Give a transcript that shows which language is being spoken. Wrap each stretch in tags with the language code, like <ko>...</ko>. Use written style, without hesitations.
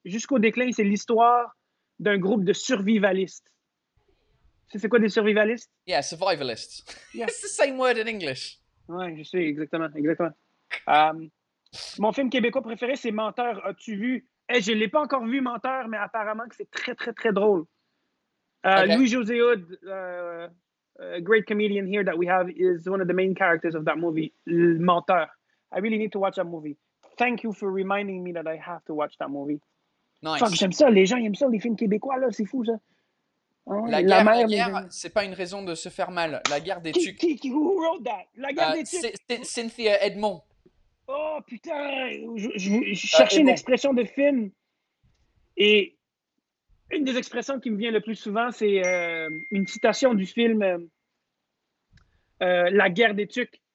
<fr>Jusqu'au déclin, c'est l'histoire d'un groupe de survivalistes. C'est quoi des survivalistes?</fr> <en>Yeah, survivalists. Yes. It's the same word in English.</en> <fr>Ouais, je sais, exactement. Mon film québécois préféré, c'est Menteur. As-tu vu? Hey, je ne l'ai pas encore vu, Menteur, mais apparemment que c'est très, très, très drôle.</fr> <en>Okay. Louis-José Hood, great comedian here that we have, is one of the main characters of that movie, Menteur. I really need to watch that movie. Thank you for reminding me that I have to watch that movie. Nice.</en> <fr>Fuck, j'aime ça. Les gens, ils aiment ça, les films québécois, là. C'est fou, ça. La guerre, c'est pas une raison de se faire mal. La guerre des tucs.</fr> <en>Who wrote that? La guerre des tucs. Cynthia Edmond.</en> <fr>Oh, putain. Je cherchais une expression de film. Et une des expressions qui me vient le plus souvent, c'est une citation du film La guerre des tucs.</fr>